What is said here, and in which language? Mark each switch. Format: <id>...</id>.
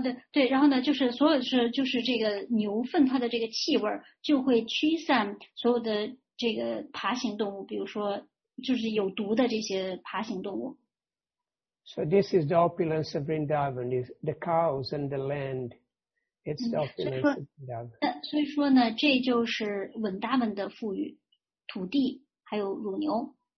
<zh>对，然后呢，就是这个牛粪，它的这个气味就会驱散所有的这个爬行动物，比如说就是有毒的这些爬行动物。</zh> <en>So this is the opulence of Vrindavan, is the cows and the land. It's the opulence of Vrindavan.</en> <zh>所以说呢，这就是稳达文的富裕，土地还有乳牛。</zh>